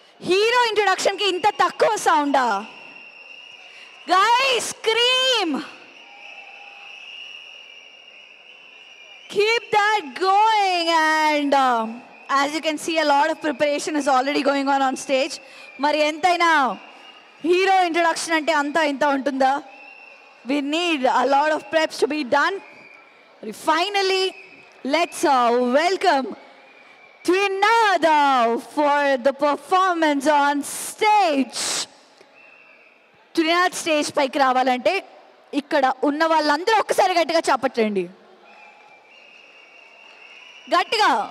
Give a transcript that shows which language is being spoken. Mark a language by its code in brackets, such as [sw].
[te] Hero introduction కి ఇంత తక్కువ సౌండా? [en] Guys scream, keep that going. And as you can see a lot of preparation is already going on stage. [te] మరి ఎంతైనా hero introduction అంటే అంత ఇంత ఉంటుందా? [en] We need a lot of preps to be done. [te] మరి [en] Finally let's welcome Trinada for the performance on stage. [te] Trinada stage పైకి రావాలంటే ఇక్కడ ఉన్న వాళ్ళందరూ ఒక్కసారి గట్టిగా చెప్పట్లేండి, గట్టిగా.